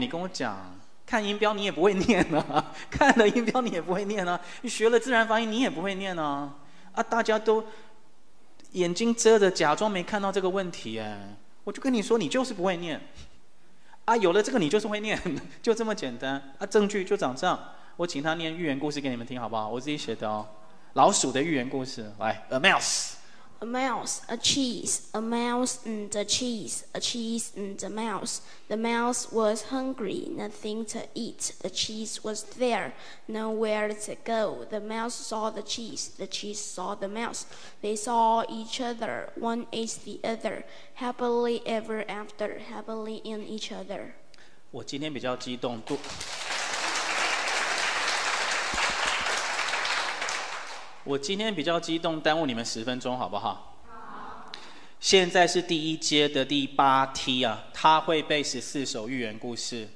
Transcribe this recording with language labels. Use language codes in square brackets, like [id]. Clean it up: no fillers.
[zh] 你跟我讲，看音标你也不会念啊，看了音标你也不会念啊，你学了自然发音你也不会念啊，啊，大家都眼睛遮着假装没看到这个问题耶，我就跟你说你就是不会念啊，有了这个你就是会念，就这么简单啊，证据就长这样。我请他念寓言故事给你们听好不好，我自己写的哦，老鼠的寓言故事，来 [en] A mouse A mouse, a cheese, a mouse and a cheese, a cheese and a mouse. The mouse was hungry, nothing to eat. The cheese was there, nowhere to go. The mouse saw the cheese saw the mouse. They saw each other, one ate the other, happily ever after, happily in each other. [zh] 我今天比较激动，我今天比较激动，耽误你们十分钟好不好？好。现在是第一阶的第八梯啊，他会背十四首寓言故事。